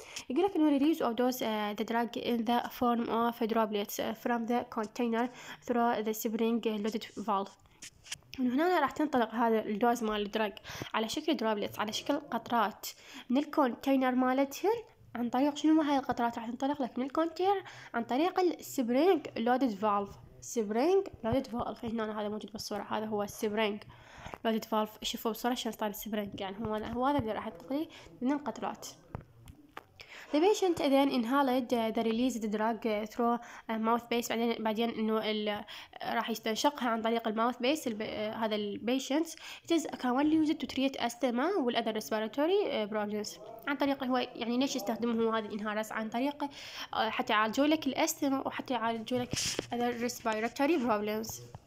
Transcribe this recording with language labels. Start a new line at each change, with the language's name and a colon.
Arabic: يقول لك إنه
English: release of those the drug in the form of droplets from the container through the spring loaded valve.
Arabic: من هنا راح تنطلق هذا الدوز مال الدراج على شكل droplets، على شكل قطرات من الكونتينر مالتهن. عن طريق شنو هاي القطرات راح تنطلق لك من الكونتينر؟ عن طريق السبرينج loaded valve. spring loaded valve هنا هذا موجود بالصورة، هذا هو السبرينج loaded valve. شوفوا بالصورة شلون صار السبرينج، يعني هو هذا اللي راح يطلع من القطرات.
English: The patient then inhaled the released drug through mouth base.
Arabic: بعدين إنه راح يستنشقها عن طريق الماوث بيس. هذا ال
English: patients it is commonly used to treat asthma and other respiratory problems.
Arabic: عن طريق هو يعني ليش يستخدمه هو هذا الانهالرز؟ عن طريق حتى يعالجوا لك الأستما وحتى يعالجوا لك
English: other respiratory problems.